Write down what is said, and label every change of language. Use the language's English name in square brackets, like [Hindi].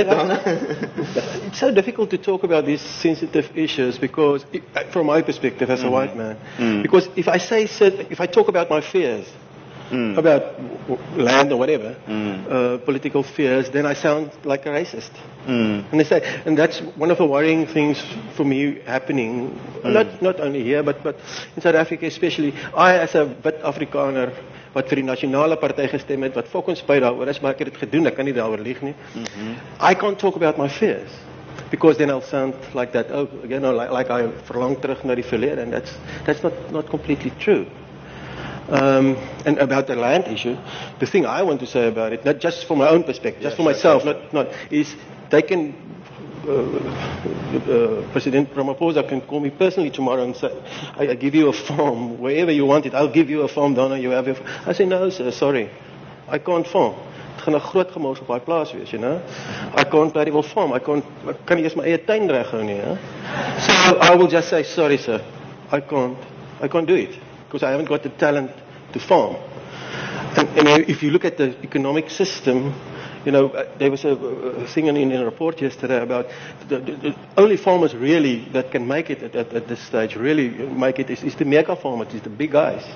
[English] It's so difficult to talk about these sensitive issues because, from my perspective as a white man, because if I say, if I talk about my fears, about land or whatever, political fears, then I sound like a racist. And they say, and that's one of the worrying things for me happening, not only here, but in South Africa especially. [Afrikaans] I, as a wit Afrikaner, wat vir die nasionale party gestem het, wat fokkens by daaroor is, maar ek het dit gedoen, ek kan nie daaroor lieg nie. [English] I can't talk about my fears, because then I'll sound like that, oh, you know, like I [Afrikaans] verlang terug na die verlede, [English] and that's not completely true. And about the land issue, the thing I want to say about it, not just from my own perspective, just myself, not is they can, President Ramaphosa can call me personally tomorrow and say, I give you a farm, wherever you want it, I'll give you a farm, Donna, you have your farm. I say, no, sir, sorry, I can't farm. [Afrikaans] Het gaan 'n groot gemors op my plaas wees, [English] you know. I can't very well farm, [Afrikaans] kan nie eens my eie tuin reghou nie, [English] So I will just say, sorry, sir, I can't do it, because I haven't got the talent to farm. And if you look at the economic system, you know, there was a thing in a report yesterday about the only farmers really that can make it at this stage, really make it, is the mega farmers, is the big guys.